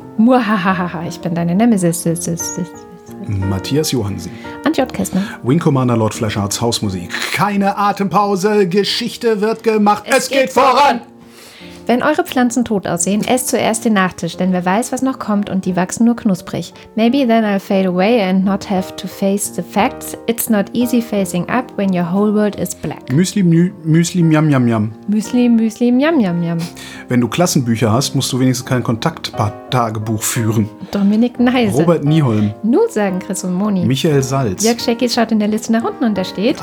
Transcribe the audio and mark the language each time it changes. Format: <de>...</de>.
<de>Muhahaha, ich bin deine Nemesis. Matthias Johansen. Antjot Kästner. Wing Commander Lord Flesharts Hausmusik. Keine Atempause, Geschichte wird gemacht, es geht voran! Wenn eure Pflanzen tot aussehen, esst zuerst den Nachtisch, denn wer weiß, was noch kommt und die wachsen nur knusprig.</de> <en>Maybe then I'll fade away and not have to face the facts. It's not easy facing up when your whole world is black.</en> <de>Müsli, Müsli, Miam, Miam, Miam. Müsli, Müsli, Miam, Miam, Miam. Wenn du Klassenbücher hast, musst du wenigstens kein Kontakt-Tagebuch führen. Dominik Neise. Robert Nieholm. Nun sagen Chris und Moni. Michael Salz. Jörg Schäckis schaut in der Liste nach unten und da steht</de>